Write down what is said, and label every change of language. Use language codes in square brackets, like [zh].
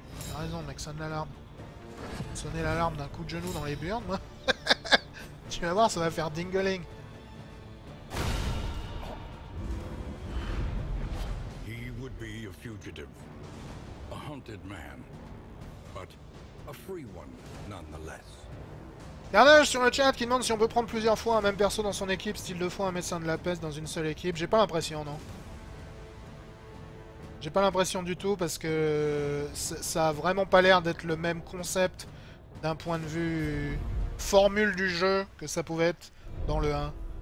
[fr] T'as raison, mec, sonne l'alarme. Sonner l'alarme d'un coup de genou dans les burnes, moi. Tu vas voir, ça va faire dingling. [en] He would be a fugitive, a hunted man, but a free one nonetheless. [fr] Carnage sur le chat qui demande si on peut prendre plusieurs fois un même perso dans son équipe, style deux fois un médecin de la peste dans une seule équipe. J'ai pas l'impression, non. J'ai pas l'impression du tout parce que ça a vraiment pas l'air d'être le même concept d'un point de vue formule du jeu que ça pouvait être dans le 1.